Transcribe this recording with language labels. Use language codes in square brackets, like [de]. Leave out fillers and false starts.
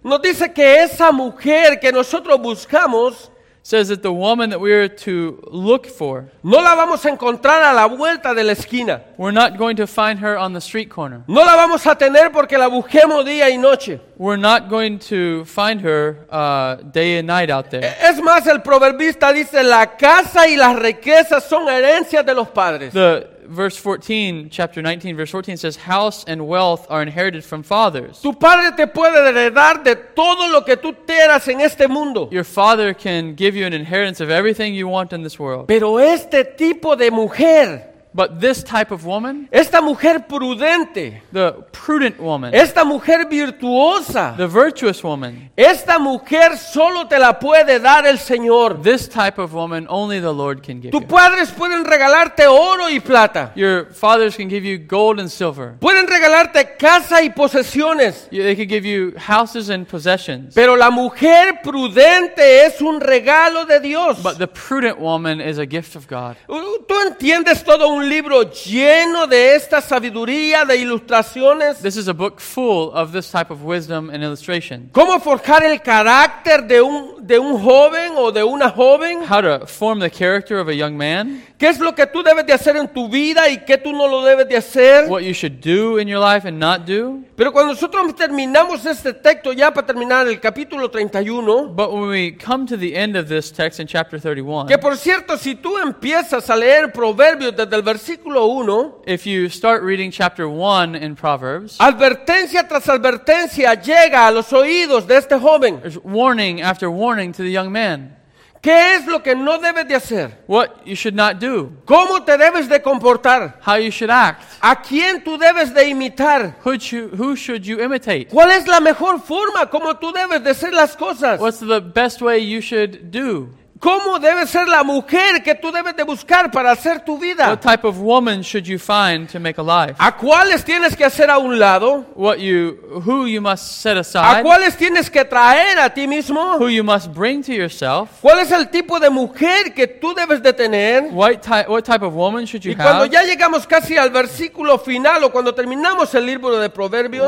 [es] Nos dice que esa mujer que nosotros buscamos [en] says that the woman that we are to look for, [es] no la vamos a encontrar a la vuelta de la esquina. [en] We're not going to find her on the street corner. [es] No la vamos a tener porque la busquemos día y noche. [en] We're not going to find her day and night out there. [es] Es más, el proverbista dice, la casa y las riquezas son herencias de los padres. [en] The verse 14, chapter 19, verse 14 says, house and wealth are inherited from fathers. [es] Tu padre te puede heredar de todo lo que tú tengas en este mundo. [en] Your father can give you an inheritance of everything you want in this world. [es] Pero este tipo de mujer, [en] but this type of woman, [es] esta mujer prudente, [en] the prudent woman, [es] esta mujer virtuosa, [en] the virtuous woman, [es] esta mujer solo te la puede dar el Señor. [en] This type of woman only the Lord can give you. [es] Tus padres pueden regalarte oro y plata. [en] Your fathers can give you gold and silver. [es] Pueden regalarte casa y posesiones. [en] They can give you houses and possessions. [es] Pero la mujer prudente es un regalo de Dios. [en] But the prudent woman is a gift of God. [es] ¿Tú entiendes todo un libro lleno de esta sabiduría de ilustraciones? [en] This is a book full of this type of wisdom and illustration. [es] ¿Cómo forjar el carácter de un joven o de una joven? [en] How to form the character of a young man? [es] ¿Qué es lo que tú debes de hacer en tu vida y qué tú no lo debes de hacer? [en] What you should do in your life and not do? [es] Pero cuando nosotros terminamos este texto ya para terminar el capítulo 31, [en] but when we come to the end of this text in chapter 31, [es] que por cierto, si tú empiezas a leer Proverbios desde el versículo 1, [en] if you start reading chapter 1 in Proverbs, [es] advertencia tras advertencia llega a los oídos de este joven. [en] There's warning after warning to the young man. [es] ¿Qué es lo que no debes de hacer? [en] What you should not do. [es] ¿Cómo te debes de comportar? [en] How you should act. [es] ¿A quién tú debes de imitar? [en] Who should you imitate? [es] ¿Cuál es la mejor forma como tú debes de hacer las cosas? [en] What's the best way you should do? [es] ¿Cómo debe ser la mujer que tú debes de buscar para hacer tu vida? [en] What type of woman should you find to make a life? [es] ¿A cuáles tienes que hacer a un lado? [en] Who you must set aside? [es] ¿A cuáles tienes que traer a ti mismo? [en] Who you must bring to yourself? [es] ¿Cuál es el tipo de mujer que tú debes de tener? [en] What type of woman should you have? [es] Y cuando [en] have? [es] Ya llegamos casi al versículo final o cuando terminamos el libro de Proverbios,